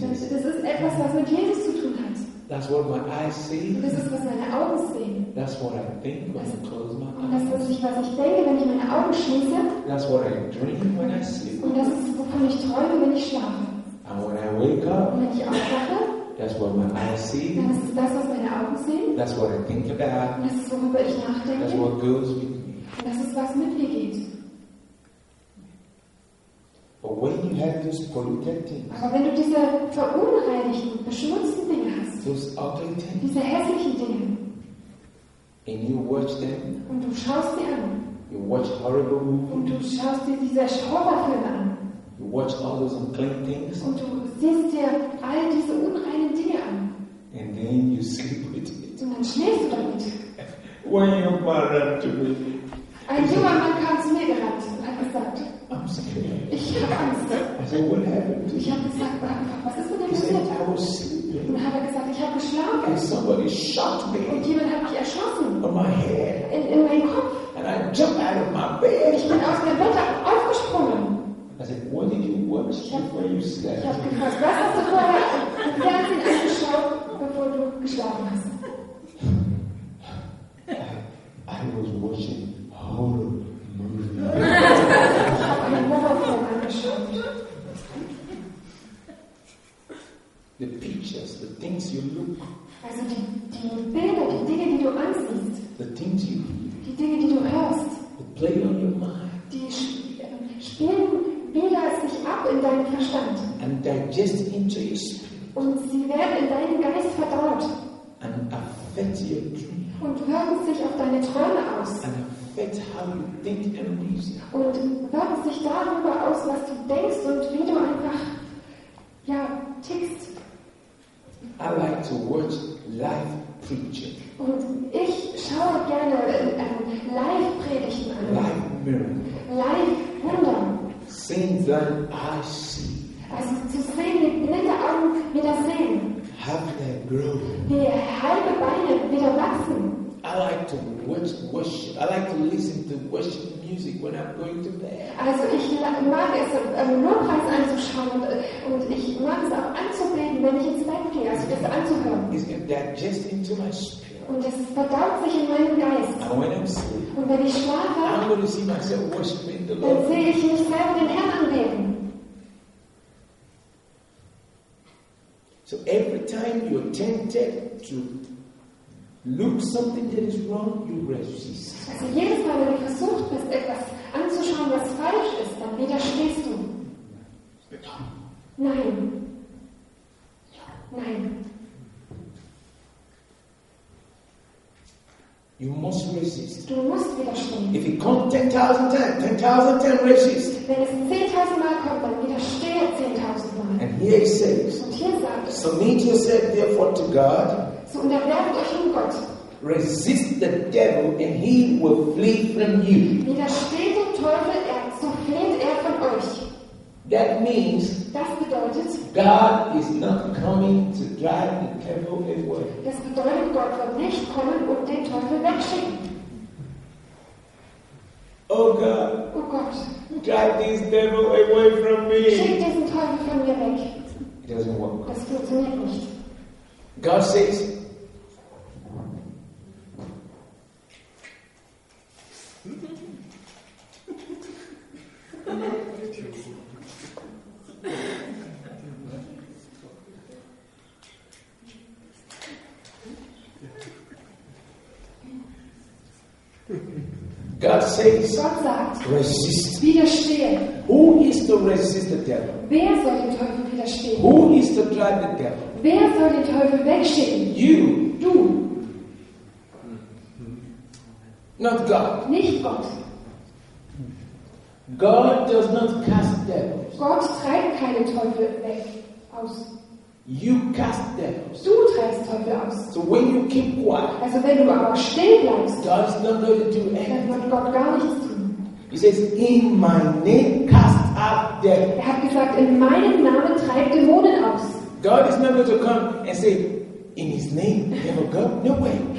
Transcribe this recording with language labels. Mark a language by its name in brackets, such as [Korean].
[German] Das ist etwas, was mit Jesus zu tun hat. [English] That's what my eyes see. [German] Das ist, was meine Augen sehen. [English] That's what I think when I close my eyes. [German] Und das ist, was ich denke, wenn ich meine Augen schließe. [English] That's what I dream when I sleep. [German] Und das ist, wovon ich träume, wenn ich schlafe. [English] And when I wake up, [German] wenn ich aufwache. [English] That's what my eyes see. [German] Das ist das, was meine Augen sehen. [English] That's what I think about. [German] Das ist, worüber ich nachdenke. [English] That's what goes with me. [German] Das ist, was mit mir geht. [English] But when you have those polluted things, [German] aber wenn du diese verunreinigten, beschmutzten Dinge hast, [English] those ugly things, [German] diese hässlichen Dinge, [English] and you watch them, [German] und du schaust sie an, [English] you watch horrible movies, [German] und du schaust dir diese Horrorfilme an, [English] you watch all those unclean things, [German] und du siehst dir all diese unreinen Dinge an. [English] And then you sleep with it. [German] Und dann schläfst du damit. [English] When you come up to me. [German] Ein junger Mann kam zu mir gerannt und hat gesagt, [English] I'm scared. [German] Ich habe Angst. [English] I said, what happened? [German] Ich habe gesagt, was ist mit dem passiert? [English] I was sleeping. [German] Und dann hat gesagt, ich habe geschlafen. [English] And somebody shot me. [German] Und jemand hat mich erschossen. [English] On my head. [German] In meinem Kopf. [English] And I jumped out of my bed. [German] Ich bin aus dem Bett aufgesprungen. [English] I said, what did you watch before you slept? [German] Ich habe gefragt, was hast du vorher im Fernsehen angeschaut, bevor du geschlafen hast? [English] I was watching horror movies. [German] Ich habe einen Horrorfilm angeschaut. [English] The pictures, the things you look. [German] Also die Bilder, die Dinge, die du ansiehst. [English] The things you. [German] Die Dinge, die du hörst. [English] The play on your mind. [German] Die spielen. Bilder sich ab in deinem Verstand. [English] And digest into your spirit. [German] Und sie werden in deinem Geist verdaut. [English] And affect your dream. [German] Und wirken sich auf deine Träume aus. [English] And affect how you think and reason. [German] Und wirken sich darüber aus, was du denkst und wie du einfach ja, tickst. [English] I like to watch live preaching. [German] Und ich schaue gerne Live-Predigten an. Live-Wunder. [English] Things that I see. [German] Also zu sehen, mit blinden Augen wieder sehen. [English] Have they grown? [German] Die halbe Beine wieder wachsen. [English] I like to watch worship. I like to listen to worship music when I'm going to bed. [German] Also ich mag es, Lobpreis anzuschauen und ich mag es auch anzubeten, wenn ich ins Bett gehe, also das anzuhören. [English] It's going to digest into my spirit. [German] Und es verdaut sich in meinem Geist. [English] And when I'm asleep. [German] Und wenn ich schlafe, [English] I'm going to see myself worshiping the Lord. [German] Dann sehe ich mich selber den Herrn anbeten. [English] So every time you're tempted to look something that is wrong, you resist. [German] Also jedes Mal, wenn du versucht bist, etwas anzuschauen, anzuschauen, was falsch ist, dann widerstehst du. Nein. Nein. [English] You must resist. [German] Du musst widerstehen. [English] If it comes 10,000 times, 10,000 times resist. [German] Wenn es 10,000 Mal kommt, dann widerstehe 10,000 Mal. [English] And here he says, [German] und hier sagt es, [English] submit yourself therefore to God. [German] So unterwerft euch um Gott. [English] Resist the devil and he will flee from you. [German] Widersteht dem Teufel, so fliehen er von euch. [English] That means [German] das bedeutet, [English] God is not coming to drive the devil away. [German] Das bedeutet, Gott wird nicht kommen und den Teufel wegschicken. [English] Oh God. [German] Oh Gott. [English] Drive this devil away from me. [German] Schick diesen Teufel von mir weg. [English] It doesn't work. [German] Das funktioniert nicht. [English] God says, God says, [German] Gott sagt, [English] resist. [German] Widerstehe. [English] Who is to resist the devil? [German] Wer soll den Teufel widerstehen? [English] Who is to drive the devil? [German] Wer soll den Teufel wegschicken? [English] You. [German] Du. [English] Not God. [German] Nicht Gott. [English] God does not cast devils. [German] Gott treibt keine Teufel weg aus. [English] You cast devils. [German] Du treibst Teufel aus. [English] So when you keep quiet, [German] also wenn du aber still bleibst, [English] God's not going to do anything. [German] Dann wird Gott gar nichts tun. [English] He says, in my name cast out devils. [German] Er hat gesagt, in meinem Namen treibt Dämonen aus. [English] God is not going to come and say, in his name, devil go, no way.